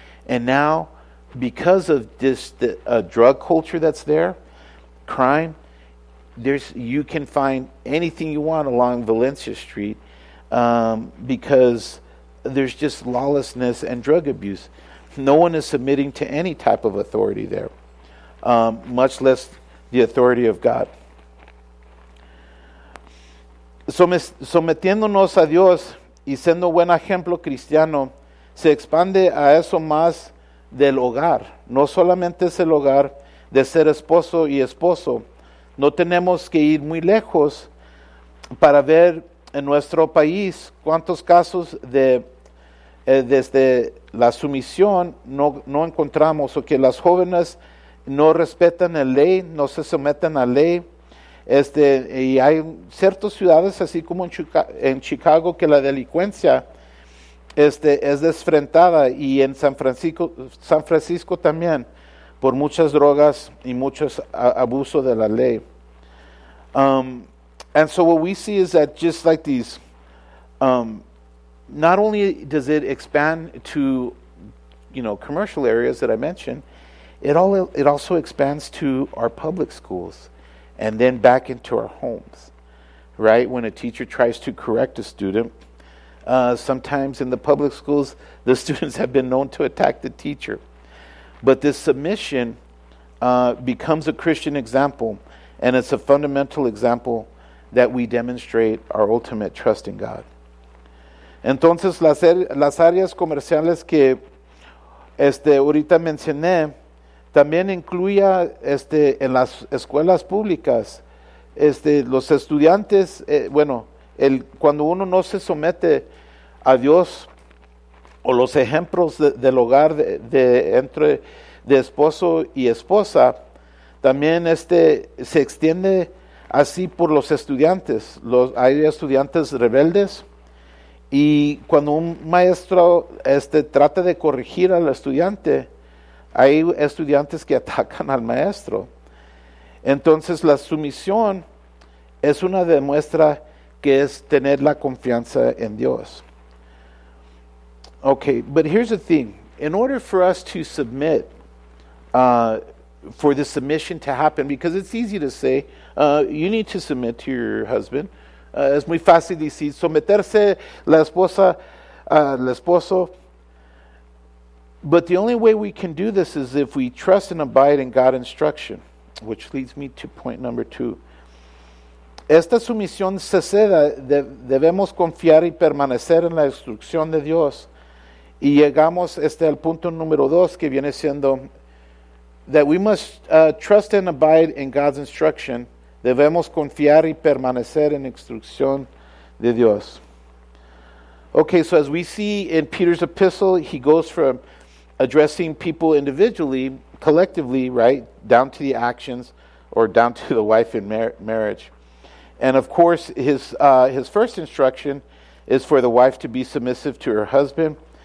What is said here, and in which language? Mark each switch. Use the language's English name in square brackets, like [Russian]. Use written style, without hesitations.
[English] And now, because of this drug culture that's there, crime, you can find anything you want along Valencia Street because there's just lawlessness and drug abuse. No one is submitting to any type of authority there, much less the authority of God. [Spanish] Sometiéndonos a Dios y siendo buen ejemplo cristiano, se expande a eso más del hogar. No solamente es el hogar de ser esposo y esposo. No tenemos que ir muy lejos para ver en nuestro país cuántos casos de desde la sumisión no encontramos, o que las jóvenes no respetan la ley, no se someten a la ley. Y hay ciertas ciudades, así como en Chicago, que la delincuencia es desfrentada, y en San Francisco también, por muchas drogas y muchos abuso de la ley. [English] And so what we see is that just like these, not only does it expand to, commercial areas that I mentioned, it also expands to our public schools and then back into our homes, right? When a teacher tries to correct a student, sometimes in the public schools, the students have been known to attack the teacher. But this submission becomes a Christian example, and it's a fundamental example that we demonstrate our ultimate trust in God. [Spanish] Entonces, las áreas comerciales que ahorita mencioné también incluía en las escuelas públicas, los estudiantes, cuando uno no se somete a Dios o los ejemplos del hogar entre esposo y esposa, también se extiende así por los estudiantes. Hay estudiantes rebeldes, y cuando un maestro trata de corregir al estudiante, hay estudiantes que atacan al maestro. Entonces, la sumisión es una demuestra que es tener la confianza en Dios. [English] Okay, but here's the thing. In order for us to submit, for the submission to happen, because it's easy to say, you need to submit to your husband. [Spanish] Es muy fácil decir, someterse la esposa al esposo. [English] But the only way we can do this is if we trust and abide in God's instruction, which leads me to point number two. [Spanish] Esta sumisión se ceda, debemos confiar y permanecer en la instrucción de Dios. Y llegamos al punto número dos, que viene siendo [English] that we must trust and abide in God's instruction. [Spanish] Debemos confiar y permanecer en la instrucción de Dios. [English] Okay, so as we see in Peter's epistle, he goes from addressing people individually, collectively, right, down to the actions, or down to the wife in marriage. And of course, his first instruction is for the wife to be submissive to her husband.